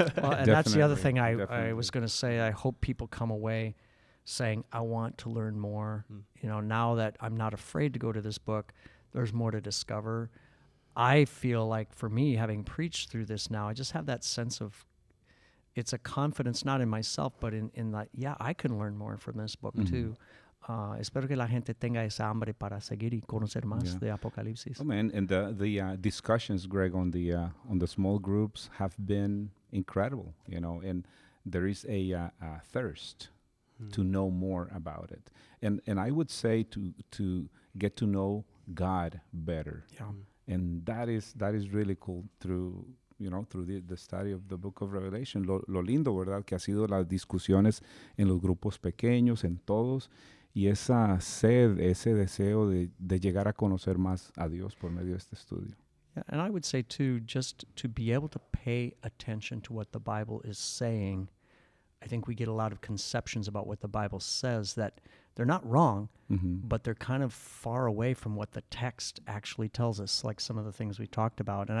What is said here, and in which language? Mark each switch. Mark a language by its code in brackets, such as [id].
[en] Well, and that's the other thing I was going to say. I hope people come away saying, I want to learn more. Mm. You know, now that I'm not afraid to go to this book, there's more to discover. I feel like for me, having preached through this now, I just have that sense of, it's a confidence, not in myself, but in that, yeah, I can learn more from this book too. [es] Espero que la gente tenga esa hambre para seguir y conocer más de Apocalipsis. [en] Oh man, and the discussions, Greg, on the small groups have been incredible, you know, and there is a thirst to know more about it. And I would say to get to know God better. Yeah. And that is really cool through the study of the book of Revelation. [es] Lo lindo, ¿verdad?, que ha sido las discusiones en los grupos pequeños, en todos. Y esa sed, ese deseo de llegar a conocer más a Dios por medio de este estudio. [en] Yeah, and I would say, too, just to be able to pay attention to what the Bible is saying, I think we get a lot of conceptions about what the Bible says that they're not wrong, but they're kind of far away from what the text actually tells us, like some of the things we talked about.